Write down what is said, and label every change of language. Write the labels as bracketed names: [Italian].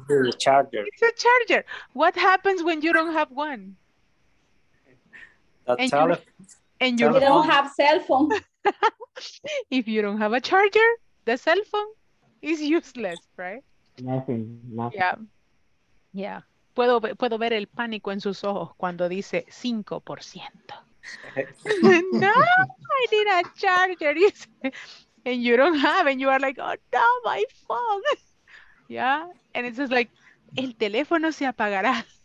[English] It's a charger. What happens when you don't have one? You don't have cell phone. If you don't have a charger, the cell phone is useless, right? Nothing. Yeah. [Spanish] Puedo ver el pánico en sus ojos cuando dice 5%. [English] No, I need a charger. And you don't have, and you are like, oh no, my phone. Yeah, and it's just like, [Spanish] el teléfono se apagará.